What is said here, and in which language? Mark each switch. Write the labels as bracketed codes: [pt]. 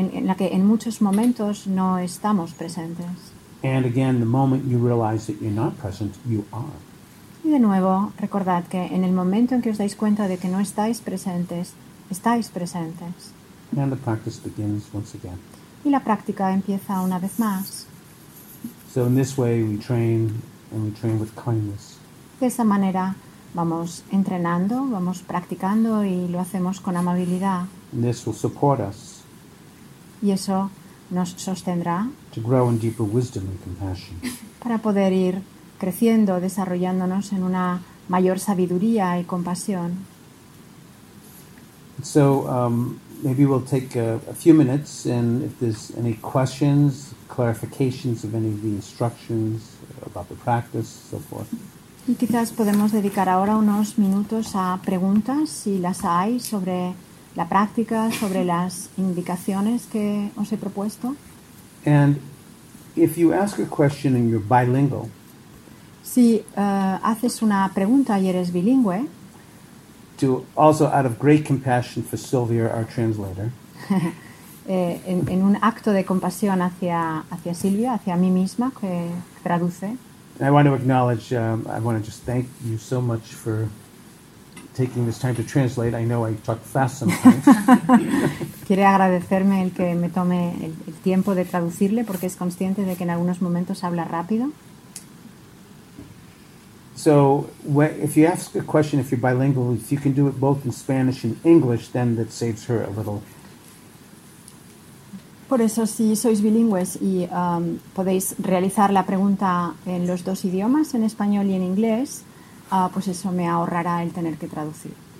[es] En la que en muchos momentos no estamos presentes. [en] And again, the moment you realize that you're not present, you are. [es] Y de nuevo, recordad que en el momento en que os dais cuenta de que no estáis presentes, estáis presentes. [en] And the practice begins once again. [es] Y la práctica empieza una vez más. [en] So in this way we train, and we train with kindness. [es] De esa manera vamos entrenando, vamos practicando y lo hacemos con amabilidad. [en] And this will support us. [es] Y eso nos sostendrá. [en] To grow in deeper wisdom and compassion. [es] Para poder ir creciendo, desarrollándonos en una mayor sabiduría y compasión. [en] So maybe we'll take a few minutes, and if there's any questions, clarifications of any of the instructions about the practice, so forth. [es] Y quizás podemos dedicar ahora unos minutos a preguntas, si las hay, sobre la práctica, sobre las indicaciones que os he propuesto. [en] And if you ask a question and you're bilingual, [es] si haces una pregunta y eres bilingüe, [en] to also out of great compassion for Sylvia, our translator, [es] en un acto de compasión hacia Silvia, hacia mí misma que traduce. [en] I want to acknowledge, I want to just thank you so much for taking this time to translate. I know I talk fast sometimes. [es] Quiere agradecerme el que me tome el tiempo de traducirle porque es consciente de que en algunos momentos habla rápido. [en] So, if you ask a question, if you're bilingual, if you can do it both in Spanish and English, then that saves her a little. [es] Por eso, si sois bilingües y podéis realizar la pregunta en los dos idiomas, en español y en inglés, pues eso me ahorrará el tener que traducir.